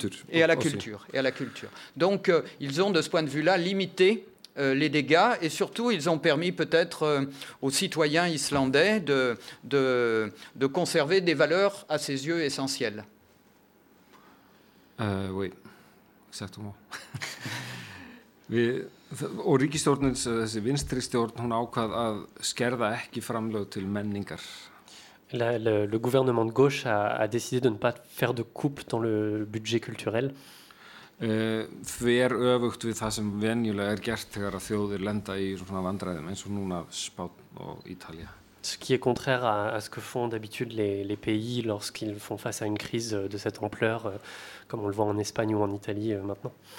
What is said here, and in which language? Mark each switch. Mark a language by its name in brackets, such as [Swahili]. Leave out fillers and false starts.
[French] Et à la culture. Donc, ils ont, de ce point de vue-là, limité les dégâts. Et surtout, ils ont permis peut-être aux citoyens islandais de conserver des valeurs à ses yeux essentielles. Oui, exactement. [Icelandic] Mais, og ríkisstjórnin, þessi vinstri stjórn, hún ákvað að skerða ekki framlög til menningar. [French] Le gouvernement de gauche a décidé de ne pas faire de coupe dans le budget culturel. [Icelandic] Þver öfugt við það sem venjulega gert þegar að þjóðir lenda í svona vandræðum eins og núna Spán og Ítalía. [French] Ce qui est contraire à ce que font d'habitude les pays lorsqu'ils font face à une crise de cette ampleur, comme on le voit en Espagne ou en Italie maintenant.